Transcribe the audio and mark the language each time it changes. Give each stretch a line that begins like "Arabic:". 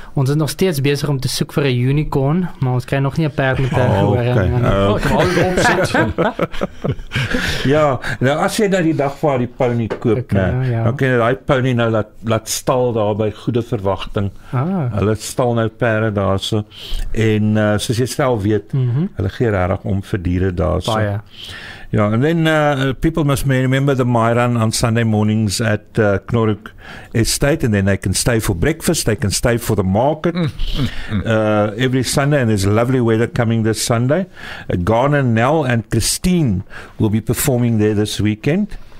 Afrikaans: Ons is nog steeds bezig om te soek vir een unicorn, maar ons krijg nog nie een paard met haar gehoor. Ja, nou as jy nou die dag waar die pony koop, okay, nou, ja. Dan kan jy die pony nou laat stal daar by goede verwachting. Hulle stal nou paarden daar so. En soos jy self weet, hulle gee rarig om vir dieren daar so. Baie.
English: Ja, and then people must remember the My Run on Sunday mornings at Knorhoek Estate, and then they can stay for breakfast, they can stay for the market every Sunday, and there's lovely weather coming this Sunday. Garner, Nell, and Christine will be performing there this weekend.